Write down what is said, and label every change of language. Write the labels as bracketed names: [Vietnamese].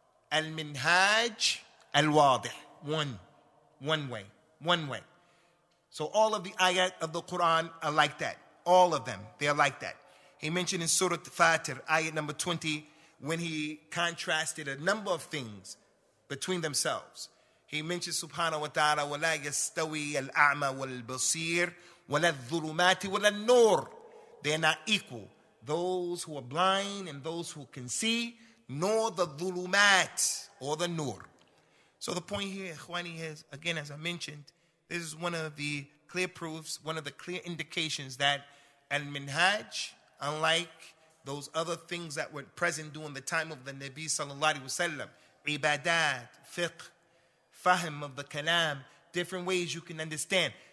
[English] Al-Minhaj Al-Wadih. One way. So all of the ayat of the Quran are like that. All of them, they are like that. He mentioned in Surah Fatir, ayat number 20, when he contrasted a number of things between themselves. He mentioned, [Arabic] subhanahu wa ta'ala, وَلَا يَسْتَوِي الْأَعْمَى وَالْبَصِيرُ وَلَا الظُّلُمَاتِ وَلَا النُّورِ. [English] They are not equal. Those who are blind and those who can see, nor the dhulumat or the nur. So the point here, ikhwani, is, again, as I mentioned, this is one of the clear proofs, one of the clear indications that al-minhaj, unlike those other things that were present during the time of the Nabi sallallahu alaihi wasallam, ibadat, fiqh, fahim of the kalam, different ways you can understand.